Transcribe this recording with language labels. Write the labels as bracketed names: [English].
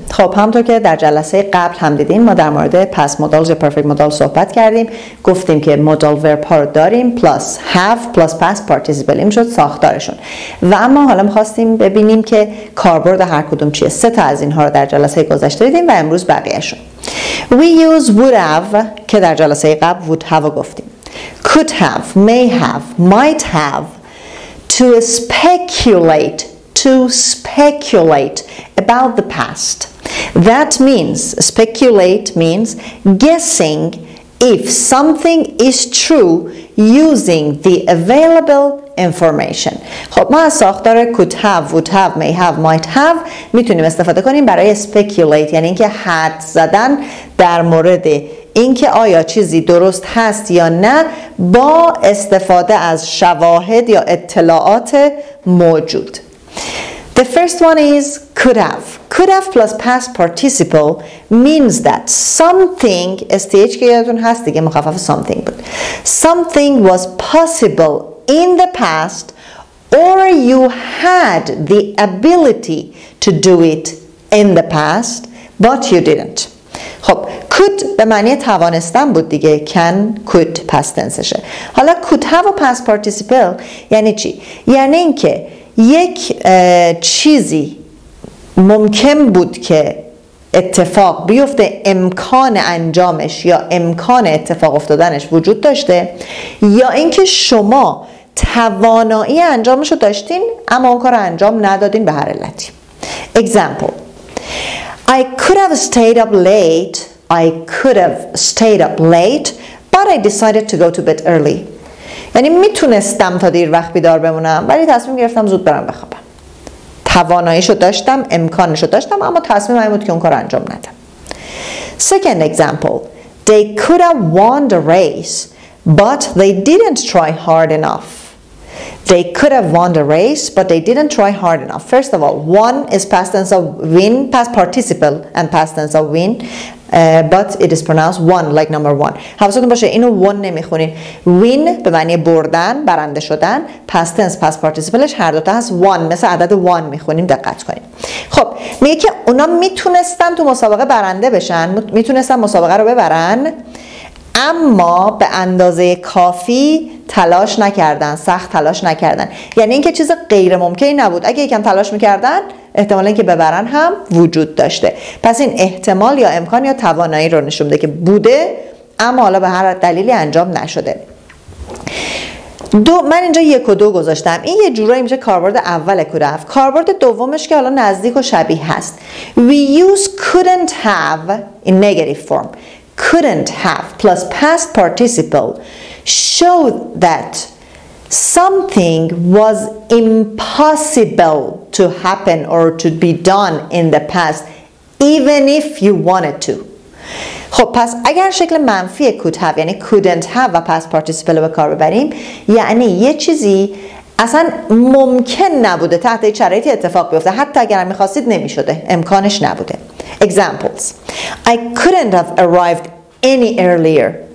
[Persian] خب همونطور که در جلسه قبل هم دیدیم ما در مورد past modals یا perfect modals صحبت کردیم، گفتیم که modal verb ها رو داریم [English] plus have plus past participle [Persian] این شد ساختارشون. و اما حالا می‌خواستیم ببینیم که کاربرد هر کدوم چیه. سه تا از اینها رو در جلسه گذشته دیدیم و امروز بقیه‌شون. [English] We use would have [Persian] که در جلسه قبل [English] would have گفتیم. Could have, may have, might have to speculate. To speculate about the past. That means, speculate means guessing if something is true using the available information. [Persian] خب ما از ساختار [English] could have, would have, may have, might have [Persian] میتونیم استفاده کنیم برای speculate، یعنی اینکه حد زدن در مورد اینکه آیا چیزی درست هست یا نه با استفاده از شواهد یا اطلاعات موجود. [English] The first one is could have. Could have plus past participle means that something, STH [Persian] که یادتون هست دیگه مخفف [English] something بود. Something was possible in the past or you had the ability to do it in the past but you didn't. [Persian] خب could به معنی توانستن بود دیگه، [English] can could past tense [Persian] شه. حالا could have و past participle یعنی چی؟ یعنی اینکه یک چیزی ممکن بود که اتفاق بیفته، امکان انجامش یا امکان اتفاق افتادنش وجود داشته، یا اینکه شما توانایی انجامش رو داشتین اما اون کار رو انجام ندادین به هر علتی. [English] Example: I could have stayed up late. I could have stayed up late, but I decided to go to bed early. [Persian] یعنی میتونستم تا دیر وقت بیدار بمونم ولی تصمیم گرفتم زود برم بخوابم. تواناییشو داشتم، امکانشو داشتم اما تصمیم این بود که اون کار انجام ندم. [English] Second example: They could have won the race but they didn't try hard enough. They could have won the race but they didn't try hard enough. First of all, won is past tense of win, past participle and past tense of win. But it is pronounced one, like number one. [Persian] حواستون باشه اینو won نمیخونین. Win به معنی بردن، برنده شدن. [English] Past tense, past participleش [Persian] هر دوتا هست. One مثل عدد one میخونیم، دقت کنیم. خب میگه که اونا میتونستن تو مسابقه برنده بشن، میتونستن مسابقه رو ببرن اما به اندازه کافی تلاش نکردن، سخت تلاش نکردن. یعنی اینکه چیز غیر ممکنی نبود، اگه یکم تلاش میکردن احتمال اینکه ببرن هم وجود داشته. پس این احتمال یا امکان یا توانایی رو نشون میده که بوده اما حالا به هر دلیلی انجام نشده. دو، من اینجا یک و دو گذاشتم. این یه جورایی میشه کاربرد اول could have. کاربرد دومش که حالا نزدیک و شبیه هست. [English] We use couldn't have in negative form. Couldn't have plus past participle showed that something was impossible to happen or to be done in the past, even if you wanted to. [Persian] خب پس اگر شکل منفی could have یعنی couldn't have و past participle به کار ببریم، یعنی یه چیزی اصلا ممکن نبوده تحت هیچ شرایطی اتفاق بیفته، حتی اگر میخواستید نمیشده، امکانش نبوده. [English] Examples: I couldn't have arrived any earlier.